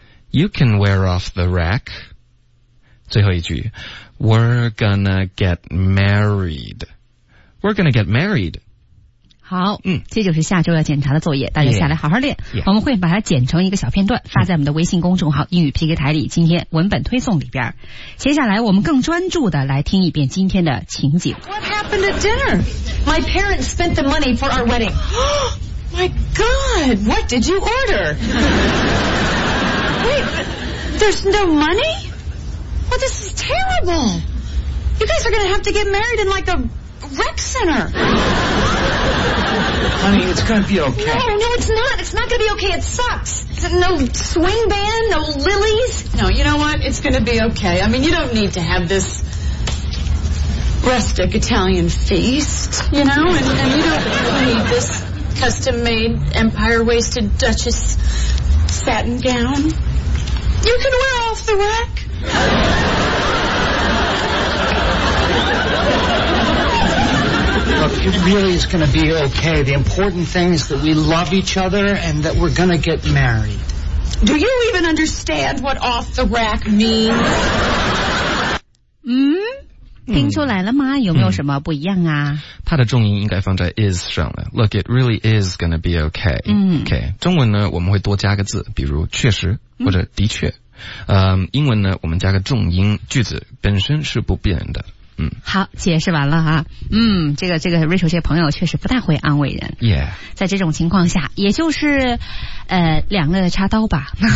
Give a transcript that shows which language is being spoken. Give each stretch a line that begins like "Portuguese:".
English: You can wear off the rack.
Chinese: 最后一句
English: We're gonna get married. We're gonna get married.
Chinese: 好、这就是下周要检查的作业，大家下来好好练。我们会把它剪成一个小片段发在我们的微信公众号英语 PK 台里，今天文本推送里边。接下来我们更专注的来听一遍今天的情景。
English: What happened at dinner? My parents spent the money for our wedding. My God, what did you order? Wait, there's no money? Well, this is terrible. You guys are going to have to get married in like a rec center. Honey, it's going to be okay. No, it's not. It's not going to be okay. It sucks. No swing band, no lilies. No, you know what? It's going to be okay. I mean, you don't need to have this rustic Italian feast, you know? And you don't need this... custom-made, empire-waisted Duchess satin gown. You can wear off the rack. Look, it really is going to be okay. The important thing is that we love each other and that we're going to get married. Do you even understand what off the rack means? Hmm?
Chinese: 听出来了吗、有没有什么不一样啊、它的重音应该放在 is 上了。
English: Look, it really is gonna be okay、okay.
Chinese: 中文呢我们会多加个字，比如确实或者的确、英文呢我们加个重音，句子本身是不变的。好，解释完了哈。这个 Rachel 这朋友确实不大会安慰人。
English: Yeah.
Chinese: 在这种情况下，也就是两肋插刀吧。